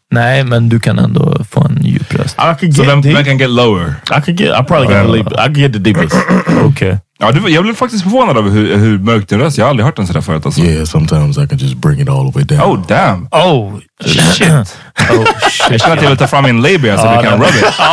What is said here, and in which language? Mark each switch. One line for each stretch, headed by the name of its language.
Swedish: Nej, men du kan ändå få en djup röst.
English: I could get so I can get lower. I could get the deepest. Okay.
Swedish: Ja, jag blev faktiskt förvånad av hur mörkt din röst. Jag har aldrig hört den sådär förut. Alltså.
English: Yeah, sometimes I can just bring it all the way down. Oh, damn. Oh, shit.
Swedish: Jag känner att jag vill ta fram min labia så vi kan rub it.